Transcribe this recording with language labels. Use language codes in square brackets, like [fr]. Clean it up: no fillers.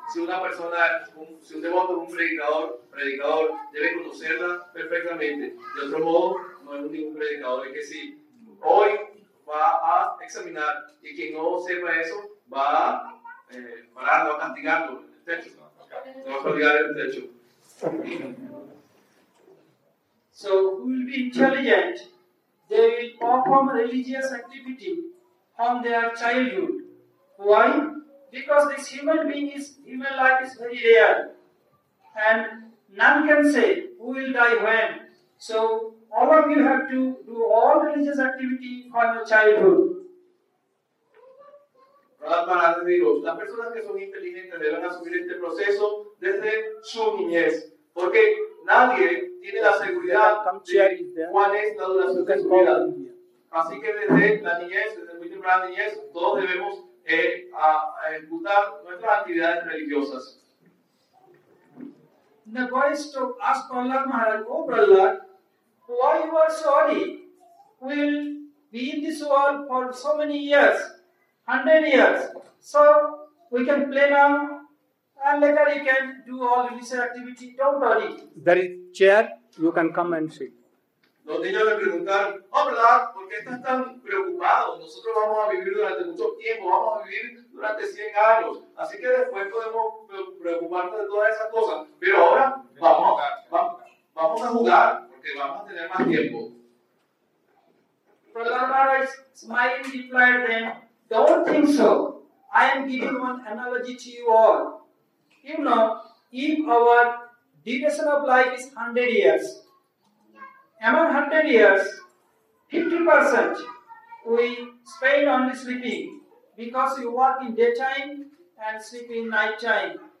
[es] Si una persona, si un devoto, un predicador debe conocerla perfectamente. De otro modo, no es un ningún predicador, es que si hoy va a examinar y quien no sepa eso va a pararlo, a castigarlo en el techo, no va a castigar en el techo. [en] So, who will be intelligent? They will perform religious activity from their childhood. Why? Because this human being is, human life is very rare. And none can say who will die when. So, all of you have to do all religious activity from your childhood. [es] Las personas que son inteligentes deben asumir este proceso desde su niñez. Porque nadie tiene la seguridad de cuál es la duración de su vida. Así que desde la niñez, desde muy temprana niñez, todos debemos ejecutar nuestras actividades religiosas. [en] The voice to ask Prahlad Maharaj, oh Prahlad, why you are sorry? We'll be in this world for so many years, 100 years. So we can play now. And later you can do all religious activity, don't worry. There is chair, you can come and sit. [es] Los niños le preguntaron, oh Prahlad, ¿por qué estás tan preocupado? Nosotros vamos a vivir durante mucho tiempo, vamos a vivir durante 100 años. Así que después podemos preocuparnos de todas esas cosas. Pero ahora vamos a jugar, porque vamos a tener más tiempo. [en] Prahlad Maharaj smiling replied them, don't think so. I am giving one analogy to you all. You know, if our duration of life is 100 years, among 100 years, 50% we spend only sleeping because you work in daytime and sleep in nighttime.